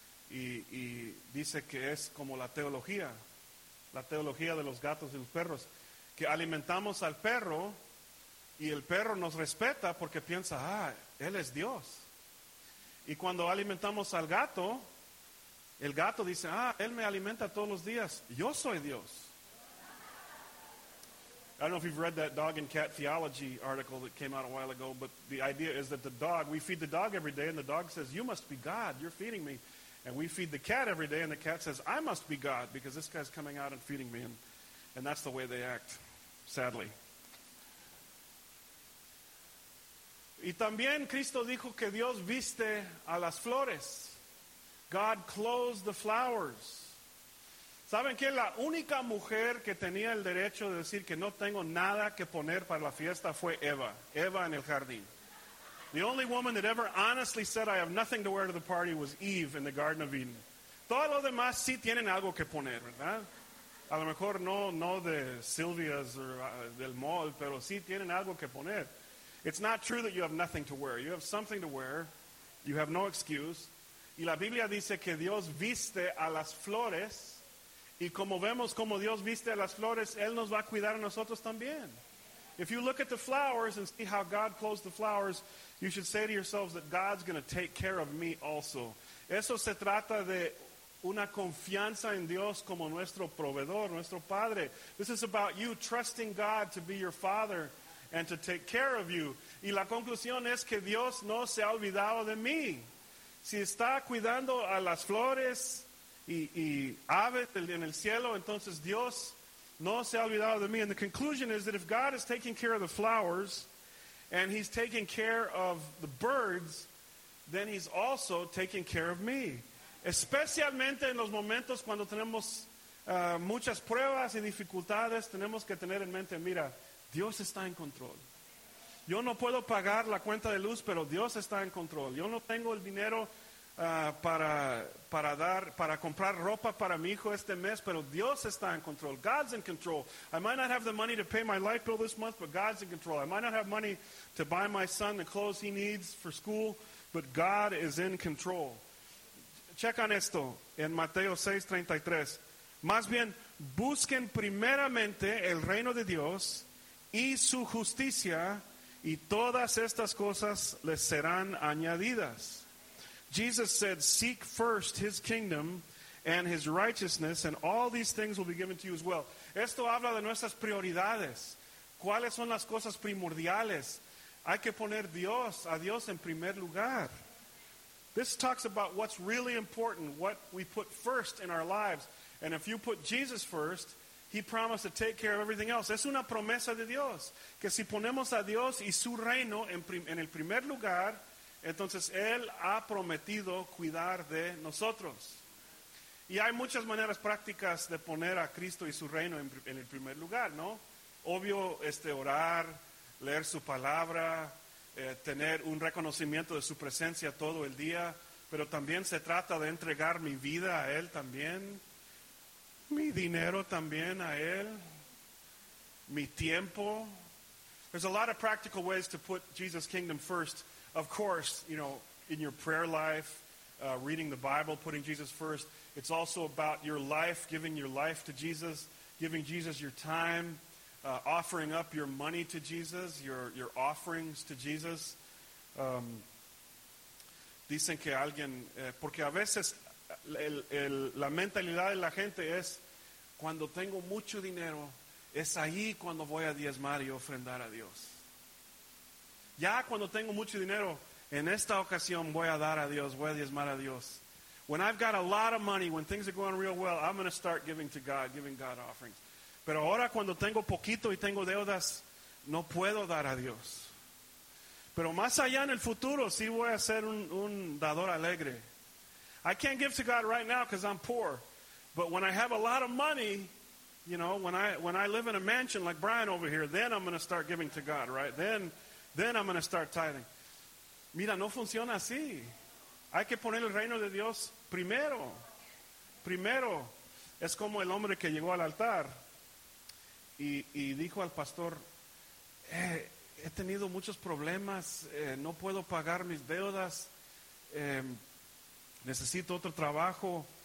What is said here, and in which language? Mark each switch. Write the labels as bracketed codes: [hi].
[es] Y dice que es como la teología de los gatos y los perros. Que alimentamos al perro y el perro nos respeta porque piensa, él es Dios. Y cuando alimentamos al gato, el gato dice, él me alimenta todos los días. Yo soy Dios. [en] I don't know if you've read that dog and cat theology article that came out a while ago, but the idea is that we feed the dog every day, and the dog says, you must be God, you're feeding me. And we feed the cat every day, and the cat says, I must be God, because this guy's coming out and feeding me. And that's the way they act, sadly. [es] Y también Cristo dijo que Dios viste a las flores. [en] God clothes the flowers. [es] ¿Saben que la única mujer que tenía el derecho de decir que no tengo nada que poner para la fiesta fue Eva en el jardín? [en] The only woman that ever honestly said, I have nothing to wear to the party, was Eve in the Garden of Eden. [es] Todos los demás sí tienen algo que poner, ¿verdad? A lo mejor no de Silvia's or del mall, pero sí tienen algo que poner. [en] It's not true that you have nothing to wear. You have something to wear. You have no excuse. [es] Y la Biblia dice que Dios viste a las flores. Y como vemos como Dios viste a las flores, Él nos va a cuidar a nosotros también. [en] If you look at the flowers and see how God clothes the flowers, you should say to yourselves that God's going to take care of me also. [es] Eso se trata de una confianza en Dios como nuestro proveedor, nuestro padre. [en] This is about you trusting God to be your father and to take care of you. [es] Y la conclusión es que Dios no se ha olvidado de mí. Si está cuidando a las flores y aves en el cielo, entonces Dios no se ha olvidado de mí. [en] And the conclusion is that if God is taking care of the flowers and he's taking care of the birds, then he's also taking care of me. [es] Especialmente en los momentos cuando tenemos muchas pruebas y dificultades, tenemos que tener en mente, mira, Dios está en control. Yo no puedo pagar la cuenta de luz, pero Dios está en control. Yo no tengo el dinero para comprar ropa para mi hijo este mes, pero Dios está en control. [en] God's in control. I might not have the money to pay my light bill this month, but God's in control. I might not have money to buy my son the clothes he needs for school, but God is in control. [es] Checan esto en Mateo 6:33. Más bien, busquen primeramente el reino de Dios y su justicia, y todas estas cosas les serán añadidas. [en] Jesus said, seek first his kingdom and his righteousness, and all these things will be given to you as well. [es] Esto habla de nuestras prioridades. ¿Cuáles son las cosas primordiales? Hay que poner Dios, a Dios en primer lugar. [en] This talks about what's really important, what we put first in our lives. And if you put Jesus first, he promised to take care of everything else. [es] Es una promesa de Dios, que si ponemos a Dios y su reino en el primer lugar, entonces, Él ha prometido cuidar de nosotros. Y hay muchas maneras prácticas de poner a Cristo y su reino en el primer lugar, ¿no? Obvio, orar, leer su palabra, tener un reconocimiento de su presencia todo el día. Pero también se trata de entregar mi vida a Él también. Mi dinero también a Él. Mi tiempo. [en] There's a lot of practical ways to put Jesus' kingdom first. Of course, you know, in your prayer life, reading the Bible, putting Jesus first. It's also about your life, giving your life to Jesus, giving Jesus your time, offering up your money to Jesus, your offerings to Jesus. [es] Dicen que alguien, porque a veces la mentalidad de la gente es, cuando tengo mucho dinero, es ahí cuando voy a diezmar y ofrendar a Dios. Ya cuando tengo mucho dinero, en esta ocasión voy a dar a Dios, voy a diezmar a Dios. [en] When I've got a lot of money, when things are going real well, I'm going to start giving to God, giving God offerings. [es] Pero ahora cuando tengo poquito y tengo deudas, no puedo dar a Dios. Pero más allá en el futuro, sí voy a ser un dador alegre. [en] I can't give to God right now because I'm poor. But when I have a lot of money, you know, when I live in a mansion like Brian over here, then I'm going to start giving to God, right? Then I'm going to start tithing. [es] Mira, no funciona así. Hay que poner el reino de Dios primero. Primero. Es como el hombre que llegó al altar y dijo al pastor, he tenido muchos problemas, no puedo pagar mis deudas, necesito otro trabajo.